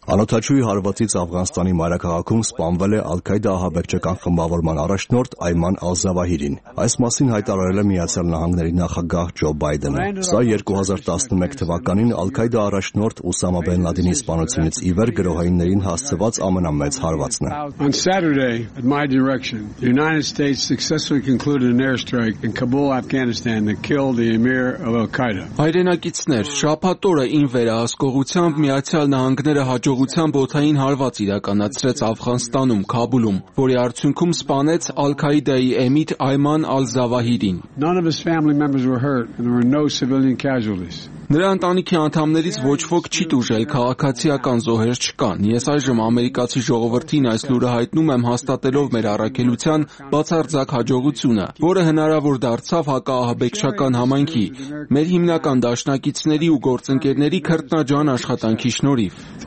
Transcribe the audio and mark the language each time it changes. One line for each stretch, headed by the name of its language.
Armenian: Անոթաչուի հարվածից Աֆղանստանի մայրաքաղաքում սպանվել է Ալ-Քայդա ահաբեկչական խմբավորման առաջնորդ Այման Ալ-Զավահիրին։ Այս մասին հայտարարել է Միացյալ Նահանգների նախագահ Ջո Բայդենը։ Սա 2011 թվականին Ալ-Քայդա առաջնորդ Ուսամա բեն Լադինի սպանությունից ի վեր գրոհայիններին հասցված ամենամեծ հարվածն է։
English: On Saturday, at my direction, the United States successfully concluded an airstrike in Kabul, Afghanistan, that killed the Emir of Al-Qaeda.
Armenian: Հայրենակիցներ, շաբաթ օրը ին վերահսկողությամբ Միացյալ Նահանգները հաջողությամբ օթային հարված իրականացրեց Աֆղանստանում, Քաբուլում, որի արդյունքում սպանեց Ալ-Քայդայի Էմիտ Այման Ալ-Զավահիրին։
English: None of his family members were hurt and there were no civilian casualties.
Armenian: Նրա ընտանիքի անդամներից ոչ ոք չի տուժել, քաղաքացիական զոհեր չկան։ Ես այժմ ամերիկացի ժողովրդին այս լուրը հայտնում եմ հաստատելով մեր առաքելության բացարձակ հաջողությունը, որը հնարավոր դարձավ հակաահաբեկչական համայնքի, մեր հիմնական դաշնակիցների ու գործընկերների քրտնաջան աշխատանքի շնորհիվ։